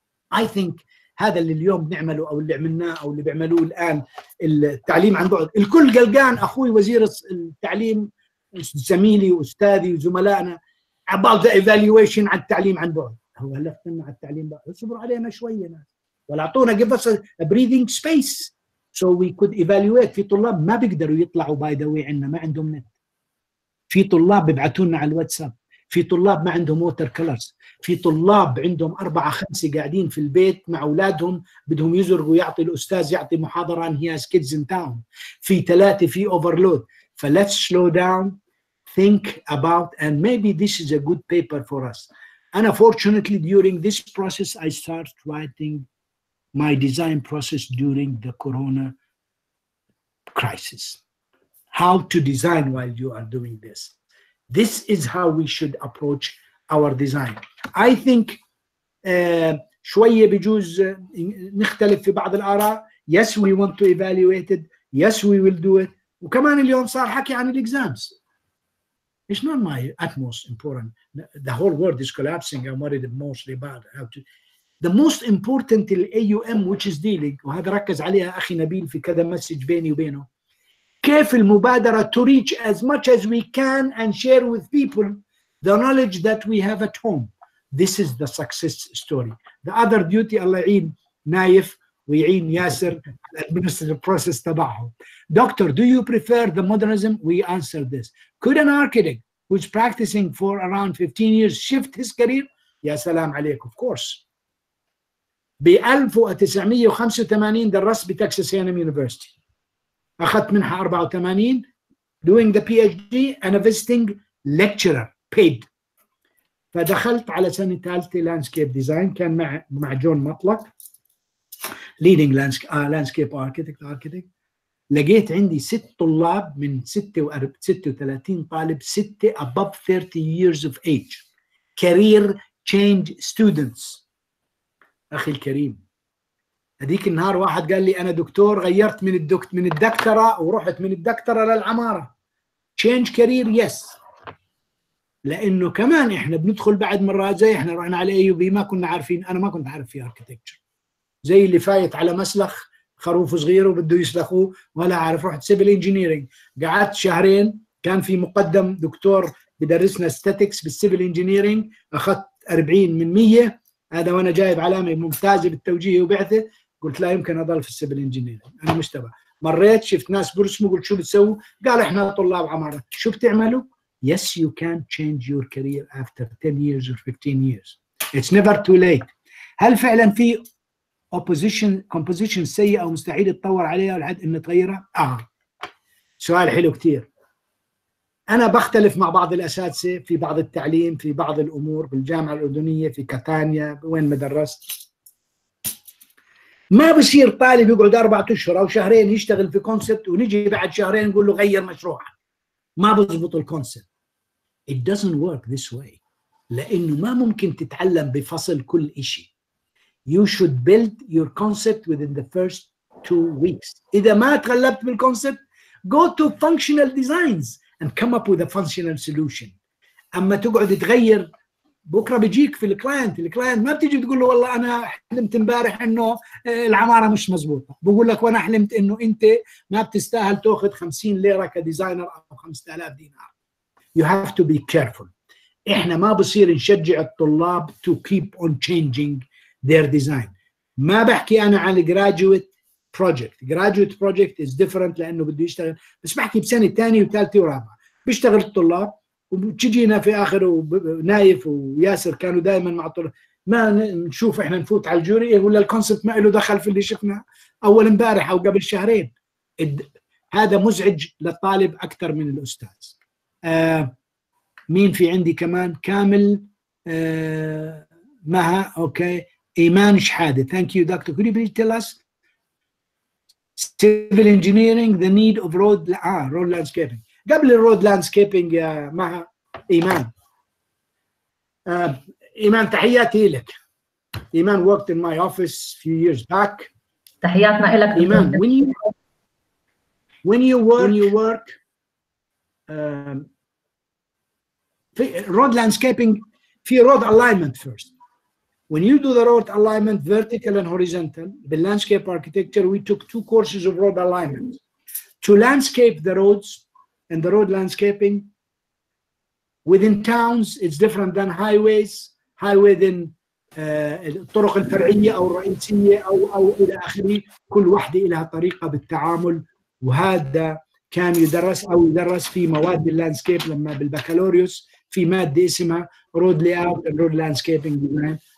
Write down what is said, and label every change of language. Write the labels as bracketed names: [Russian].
[English] I think [Arabic] هذا اللي اليوم بنعمله أو اللي عملناه أو اللي بعملوه الآن التعليم عن بعد. الكل قلقان أخوي وزير التعليم زميلي وأستاذي وزملائنا [English] about the evaluation [Arabic] عن التعليم عن بعد. هو لفتنا على التعليم بقى اصبروا علينا شوية ناس ولعطونا [English] give us a breathing space so we could evaluate. [Arabic] في طلاب ما بيقدروا يطلعوا [English] by the way [Arabic] عنا ما عندهم نت. في طلاب بيبعتونا على الواتساب. في طلاب ما عندهم [English] water colors. [Arabic] في طلاب عندهم 4-5 قاعدين في البيت مع أولادهم بدهم يزرقوا يعطي الأستاذ يعطي محاضرة [English] and he has kids in town. [Arabic] في 3 في overload. [English] فlet's slow down think about and maybe this is a good paper for us. And unfortunately, during this process, I started writing my design process during the corona crisis. How to design while you are doing this. This is how we should approach our design. I think [Arabic] شوية بجوز نختلف في بعض الآراء. [English] Yes, we want to evaluate it. Yes, we will do it. [Arabic] وكمان اليوم صار حكي عن الإكزامز. [English] It's not my utmost important. The whole world is collapsing. I'm worried mostly about how to. The most important in AUM, which is dealing, [Arabic] وهذا ركز عليها أخي نبيل في كذا مسج بيني وبينه. كيف المبادرة [English] to reach as much as we can and share with people the knowledge that we have at home. This is the success story. [Arabic] The other duty, الله يعين نايف ويعين ياسر [English] administrative process [Arabic] تبعهم. [English] Doctor, do you prefer the modernism? We answer this. Could an architect who's practicing for around 15 years shift his career? [Arabic] Ya salam alaikum, [English] of course. [Arabic] ب 1985 درست بتكساس اي ان ام يونيفرسيتي، اخذت منها 84 [English] doing the PhD and a visiting lecturer paid. [Arabic] فدخلت على سنة ثالثة لاندسكيب ديزاين، كان مع جون مطلق [English] leading landscape architect. [Arabic] لقيت عندي 6 طلاب من 36 طالب، [English] 6 above 30 years of age career change students. [Arabic] أخي الكريم هذيك النهار واحد قال لي أنا دكتور، غيرت من الدكتورة ورحت من الدكتورة للعمارة. [English] change career yes، [Arabic] لانه كمان احنا بندخل بعد مره زي احنا رحنا على اي بي ما كنا عارفين، انا ما كنت عارف في اركيتكتشر، زي اللي فايت على مسلخ خروف صغير وبده يسلخوه ولا عارف، رحت سيفل انجينيرنج قعدت شهرين، كان في مقدم دكتور بدرسنا استاتكس بالسيفل انجينيرنج اخذت 40 من 100، هذا وانا جايب علامه ممتازه بالتوجيه وبعثه، قلت لا يمكن اضل في السيفل انجينيرنج انا مش تبع. مريت شفت ناس برسموا، قلت شو بتسووا؟ قال احنا طلاب عمارة. شو بتعملوا؟ [English] Yes, you can change your career after 10 years or 15 years. It's never too late. [Arabic] هل فعلا في [English] opposition composition [Arabic] سيئة أو مستحيل تطور عليها لحد إن تغيرها؟ سؤال حلو كتير. أنا بختلف مع بعض الأساتذة في بعض التعليم، في بعض الأمور بالجامعة الأردنية في كاتانيا وين مدرست. ما بصير طالب يقعد 4 أشهر أو شهرين يشتغل في كونسبت ونجي بعد شهرين نقول له غير مشروع، ما بزبط الكونسبت. [English] It doesn't work this way. [Arabic] لأنه ما ممكن تتعلم بفصل كل إشي. [English] You should build your concept within the first 2 weeks. [Arabic] إذا ما تغلبت بالكونسبت [English] go to functional designs and come up with a functional solution. [Arabic] أما تقعد تغير بكرة بيجيك في الكلاينت، الكلاينت ما بتيجي بتقول له والله أنا حلمت مبارح أنه العمارة مش مزبوطة، بقول لك وأنا حلمت أنه أنت ما بتستاهل تأخذ 50 ليرة كديزاينر أو 5000 دينار. [English] You have to be careful. [Arabic] إحنا ما بصير نشجع الطلاب [English] to keep on changing their design. [Arabic] ما بحكي أنا عن [English] graduate project. Graduate project is different [Arabic] لأنه بده يشتغل، بس بحكي بسنة تانية وثالثة ورابعة بيشتغل الطلاب وتجينا في آخر، ونايف وياسر كانوا دائما مع الطلاب، ما نشوف إحنا نفوت على الجوري ولا الكونسبت ما له دخل في اللي شفنا أول مبارح أو قبل شهرين. هذا مزعج للطالب أكثر من الأستاذ. مين في عندي كمان؟ كامل، مها، أوكي، إيمان شحادة. [English] Thank you doctor. Could you please tell us civil engineering the need of road landscaping. [Arabic] قبل الرود لاندسكيبينج يا مها، إيمان، إيمان تحياتي لك. [English] إيمان worked in my office few years back. [Arabic] تحياتنا لك [English] إيمان. When you work في road landscaping، في road alignment first. When you do the road alignment vertical and horizontal the landscape architecture، we took 2 courses of road alignment to landscape the roads and the road landscaping within towns. It's different than highways. Highway than [Arabic] الطرق الفرعية أو الرئيسية أو إلى آخره، كل واحدة لها طريقة بالتعامل. وهذا كان يدرس أو يدرس في مواد اللاندسكيب لما بالبكالوريوس في مادة اسمها [English] road layout and road landscaping design.